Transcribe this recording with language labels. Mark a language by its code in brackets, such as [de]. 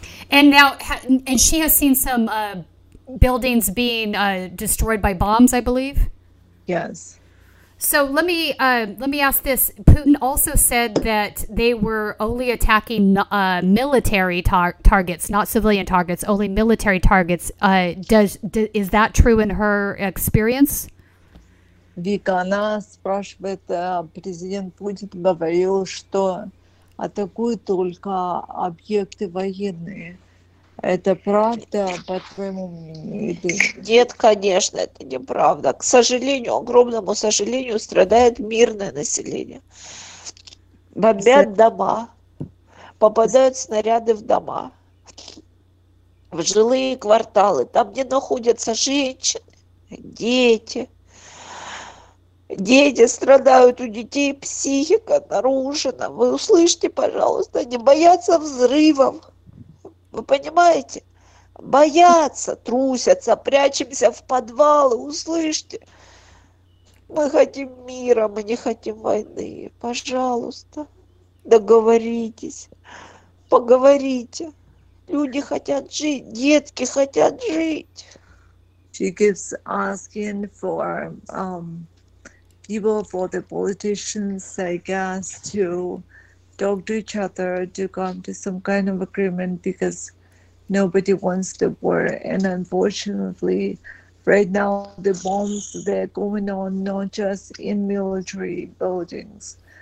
[en] And now, and she has seen some buildings being destroyed by bombs, I believe. Yes. So let me ask this. Putin also said that they were only attacking military targets, not civilian targets, only military targets. Is that true in her experience? [ru] Вика, она спрашивает, президент Путин говорил, что атакуют только объекты военные. Это правда, по-твоему мнению? Нет, конечно, это неправда. К сожалению, огромному сожалению, страдает мирное население. Бомбят дома, попадают снаряды в дома, в жилые кварталы, там, где находятся женщины, дети. Дети страдают, у детей психика нарушена. Вы услышите, пожалуйста, они боятся взрывов. Вы понимаете? Боятся, трусятся, прячемся в подвалы. Услышьте. Мы хотим мира, мы не хотим войны. Пожалуйста, договоритесь, поговорите. Люди хотят жить, детки хотят жить. [en] She keeps asking for people, for the politicians, I guess, to talk to each other, to come to some kind of agreement, because nobody wants the war. And unfortunately, right now, the bombs, they're going on not just in military buildings.